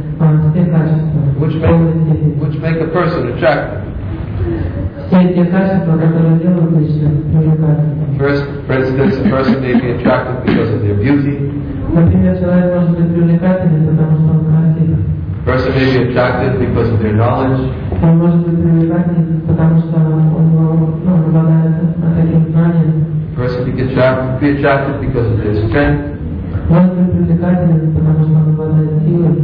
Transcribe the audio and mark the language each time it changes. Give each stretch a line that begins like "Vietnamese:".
English: Which make a person attractive. First, for instance, a person may be attractive because of their beauty.
Russian: Например, человек может быть привлекательным, потому что он красив.
English: Person may be attractive because of their knowledge.
Russian: Он может быть привлекательным, потому что он обладает таким знанием.
English: Person be attractive because of their strength.
Russian: Может быть привлекательным, потому что он обладает силой.